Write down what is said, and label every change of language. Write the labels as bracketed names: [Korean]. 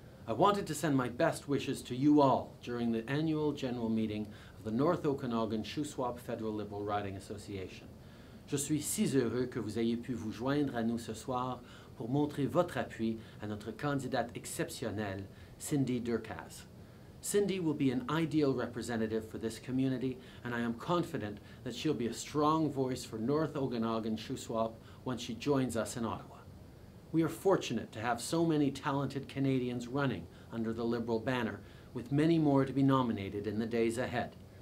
[English] I wanted to send my best wishes to you all during the annual general meeting of the North Okanagan-Shuswap Federal Liberal Riding Association. [French] Je suis si heureux que vous ayez pu vous joindre à nous ce soir pour montrer votre appui à notre candidate exceptionnelle, Cindy Derkaz. [English] Cindy will be an ideal representative for this community, and I am confident that she'll be a strong voice for North Okanagan-Shuswap once she joins us in Ottawa. We are fortunate to have so many talented Canadians running under the Liberal banner, with many more to be nominated in the days ahead.